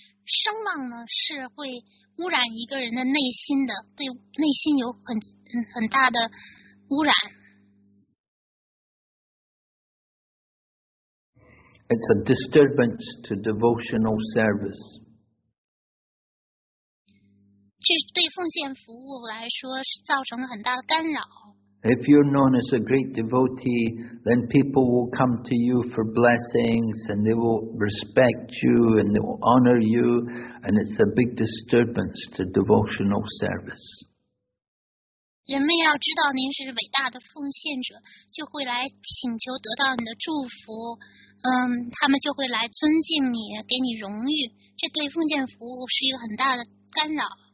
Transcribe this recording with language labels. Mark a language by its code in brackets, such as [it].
[zh] 声望呢，是会污染一个人的内心的，对内心有很大的污染。 [en] It's a disturbance to devotional service. [zh] 这对奉献服务来说是造成了很大的干扰。 [en] If you're known as a great devotee, then people will come to you for blessings, and they will respect you, and they will honor you, and it's a big disturbance to devotional service. [zh] 人们要知道您是伟大的奉献者，就会来请求得到你的祝福，他们就会来尊敬你，给你荣誉，这对奉献服务是一个很大的干扰。